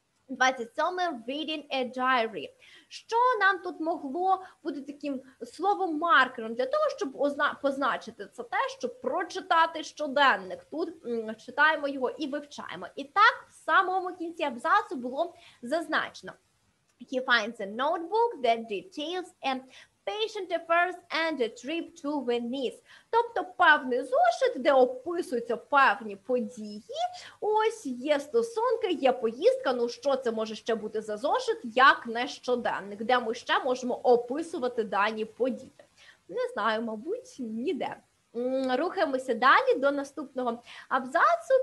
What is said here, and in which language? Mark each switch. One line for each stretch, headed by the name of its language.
Ukrainian: 27-е
English: «Reading a diary».
Ukrainian: Що нам тут могло бути таким словом-маркером для того, щоб позначити це те, щоб прочитати щоденник. Тут читаємо його і вивчаємо. І так в самому кінці абзацу було зазначено.
English: He finds a notebook that details a patient affairs and a trip to Venice.
Ukrainian: Тобто певний зошит, де описуються певні події. Ось є стосунки, є поїздка. Ну що це може ще бути за зошит, як не щоденник, де ми ще можемо описувати дані події? Не знаю, мабуть, ніде. Рухаємося далі до наступного абзацу.